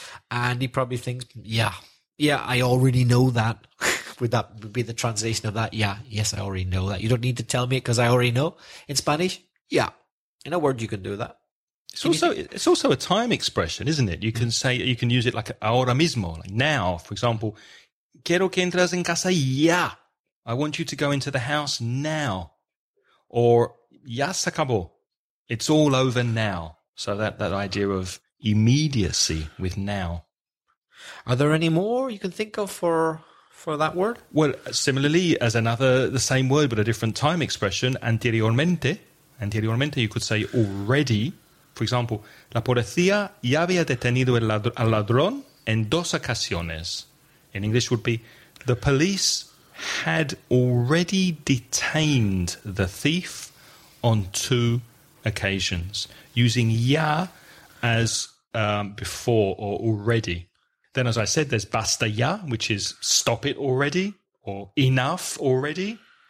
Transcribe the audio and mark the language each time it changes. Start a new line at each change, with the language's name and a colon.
English: And he probably thinks, yeah, I already know that. Would that be the translation of that? Yeah, yes, I already know that. You don't need to tell me it because I already know. In Spanish, yeah. In a word, you can do that. It's also a time expression, isn't it? You can say, you can use it like
Spanish: ahora mismo,
English: like now. For example,
Spanish: quiero que entres en casa ya.
English: I want you to go into the house now. Or
Spanish: ya se acabó.
English: It's all over now. So that idea of immediacy with now. Are there any more you can think of for that word? Well, similarly, as another, the same word, but a different time expression, anteriormente, you could say already. For example,
Spanish: la policía ya había detenido al ladrón en dos ocasiones.
English: In English would be, the police had already detained the thief on two occasions, using ya as before or already. Then, as I said, there's
Spanish: basta ya,
English: which is stop it already or enough already.